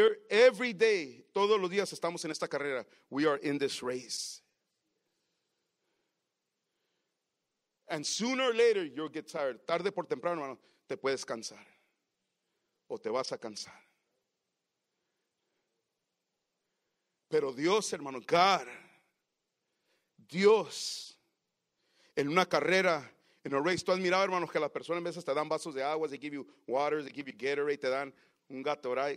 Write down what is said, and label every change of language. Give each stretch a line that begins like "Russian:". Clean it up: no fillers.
English: Every day,
Spanish: todos los días estamos en esta carrera.
English: We are in this race. And sooner or later, you'll get tired.
Spanish: Tarde por temprano, hermano, te puedes cansar. O te vas a cansar. Pero Dios, hermano, God. Dios, en una carrera, en un race. Tú has mirado, hermanos, que las personas en veces te dan vasos de agua.
English: They give you water, they give you Gatorade,
Spanish: te dan un Gatorade.